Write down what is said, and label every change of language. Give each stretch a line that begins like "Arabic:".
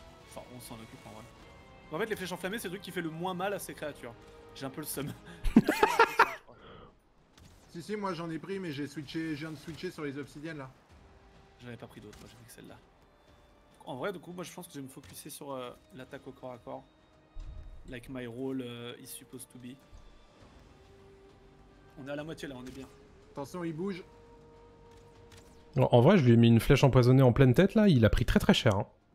French: Enfin, on s'en occupe en vrai. En fait, les flèches enflammées, c'est le truc qui fait le moins mal à ces créatures. J'ai un peu le seum. Si, moi j'en ai pris, mais j'ai switché, je viens de switcher sur les obsidiennes là. J'en ai pas pris d'autres, moi j'ai pris celle-là. En vrai, du coup, moi je pense que je vais me focusser sur l'attaque au corps à corps.
English: Like my role is supposed to be.
French: On est à la moitié là, on est bien. Attention, il bouge. En vrai, je lui ai mis une flèche empoisonnée en pleine tête là, il a pris très très cher. Hein.